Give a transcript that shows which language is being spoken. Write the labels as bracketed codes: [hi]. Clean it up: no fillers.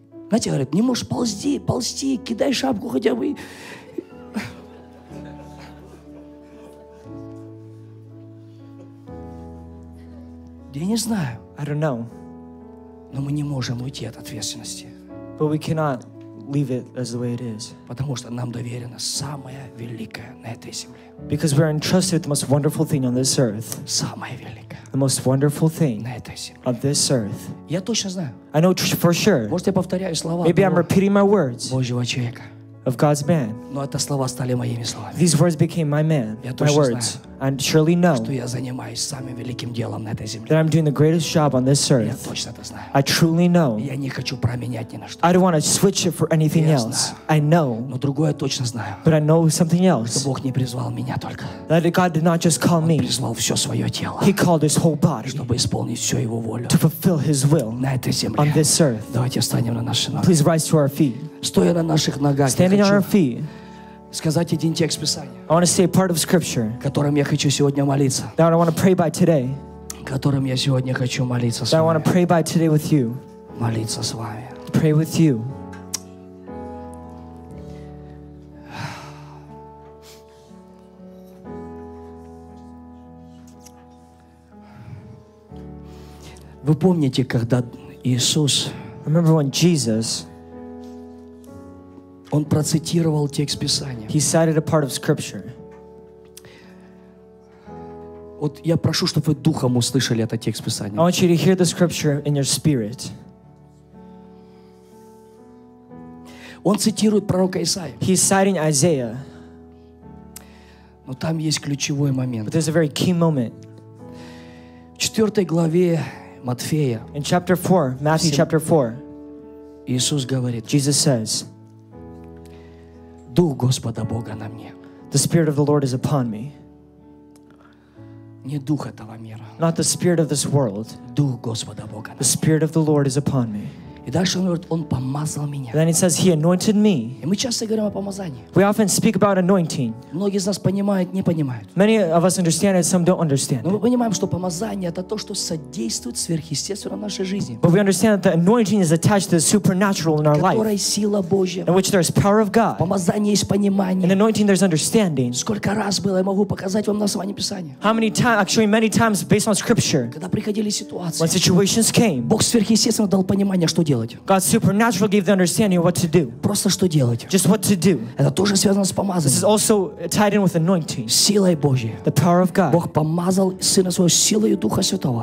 [ru] Знаете, говорят, не можешь ползти, ползти, кидай шапку хотя бы. Я не знаю. [en] I don't know. [ru] Но мы не можем уйти от ответственности. [en] But we cannot leave it as the way it is. [ru] Потому что нам доверено самое великое на этой земле. [en] Because we are entrusted with the most wonderful thing on this earth. [ru] Самое великое. [en] The most wonderful thing [ru] на этой земле. [en] On this earth. [ru] Я точно знаю. [en] I know for sure. [ru] Может, я повторяю слова. [en] Maybe I'm repeating my words. [ru] Божьего человека. [en] Of God's man. [ru] Но это слова стали моими словами. [en] These words became my man. [ru] Я точно [en] my words. [ru] Знаю. [en] and surely know [ru] что я занимаюсь самым великим делом на этой земле. [en] That I'm doing the greatest job on this earth. [ru] Я точно это знаю. [en] I truly know. [ru] Я не хочу променять ни на что. [en] I don't want to switch it for anything else. I know. [ru] Но другое точно знаю. [en] But I know something else. [ru] Бог не призвал меня только. [en] That God did not just call me. [ru] Он призвал все свое тело. [en] He called his whole body. [ru] Чтобы исполнить всю его волю. [en] To fulfill his will. [ru] На этой земле. [en] On this earth. [ru] Давайте встанем на наши ноги. [en] Please rise to our feet. [ru] Стоя на наших ногах. [en] Standing on our feet. [ru] Сказать один текст Писания. [en] I want to say part of scripture. [ru] Которым я хочу сегодня молиться. [en] That I want to pray by today. [ru] Которым я сегодня хочу молиться с вами. [en] That I want to pray by today with you. [ru] Молиться с вами. [en] Pray with you. [ru] Вы помните, когда Иисус? [en] Remember when Jesus? [ru] Он процитировал текст Писания. [en] He cited a part of scripture. [ru] Вот я прошу, чтобы вы духом услышали этот текст Писания. [en] I want you to hear the scripture in your spirit. [ru] Он цитирует пророка Исаию. [en] He's citing Isaiah. [ru] Но там есть ключевой момент. [en] But there's a very key moment. [ru] В 4 главе Матфея. [en] In chapter 4, Matthew chapter 4. [ru] Иисус говорит. [en] Jesus says. [ru] Дух Господа Бога на мне. [en] The Spirit of the Lord is upon me. [ru] Не дух этого мира. [en] Not the spirit of this world. [ru] Дух Господа Бога. [en] The Spirit of the Lord is upon me. [ru] И дальше он говорит, он помазал меня. [en] Then it says he anointed me. [ru] И мы часто говорим о помазании. [en] We often speak about anointing. [ru] Многие из нас понимают, не понимают. [en] Many of us understand it, some don't understand. [ru] Но мы понимаем, что помазание это то, что содействует сверхъестественному в нашей жизни. [en] But we understand that the anointing is attached to the supernatural in our life. [ru] Которая сила Божья. [en] In which there is power of God. [ru] Помазание есть понимание. [en] In anointing there's understanding. [ru] Сколько раз было, я могу показать вам на основании Писания. [en] How many times, actually many times based on scripture. [ru] Когда приходили ситуации. [en] When situations came. [ru] Бог сверхъестественно дал понимание, что [en] God supernatural gave the understanding of what to do. [ru] Просто что делать? [en] Just what to do. [ru] Это тоже связано с помазанием. [en] This is also tied in with anointing. [ru] Силой Божьей. [en] The power of God. [ru] Бог помазал сына своего силой Духа Святого.